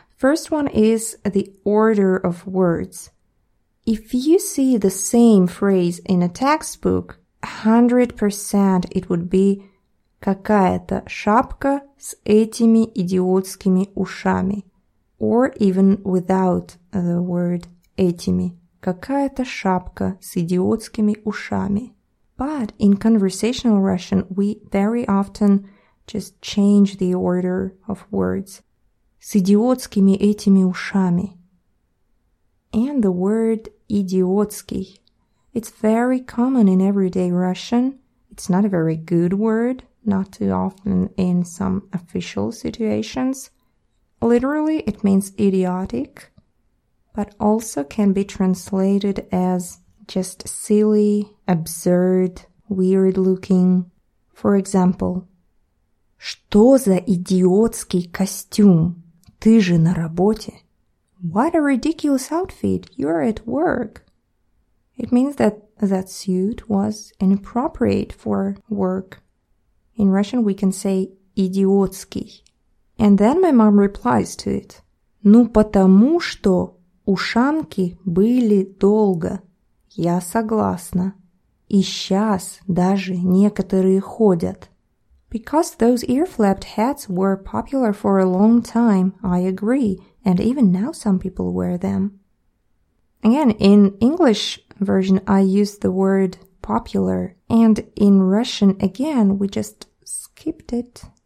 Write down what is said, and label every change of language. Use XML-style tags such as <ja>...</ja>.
<en>First one is the order of words. If you see the same phrase in a textbook, 100% it would be</en> <ru>какая-то шапка с этими идиотскими ушами,</ru> <en>or even without the word этими,</en> <ru>какая-то шапка с идиотскими ушами.</ru> <en>But in conversational Russian, we very often just change the order of words.</en> <ru>С идиотскими этими ушами.</ru> <en>And the word идиотский. It's very common in everyday Russian. It's not a very good word, not too often in some official situations. Literally, it means idiotic, but also can be translated as just silly, absurd, weird-looking. For example,</en> <ru>что за идиотский костюм? Ты же на работе.</ru> <en>What a ridiculous outfit. You're at work. It means that that suit was inappropriate for work. In Russian, we can say идиотский. And then my mom replies to it.</en> <ru>Ну, потому что ушанки были долго. Я согласна. И сейчас даже некоторые ходят.</ru> <en>Because those ear-flapped hats were popular for a long time, I agree, and even now some people wear them. Again, in English version I use the word popular, and in Russian again we just skipped it.</en>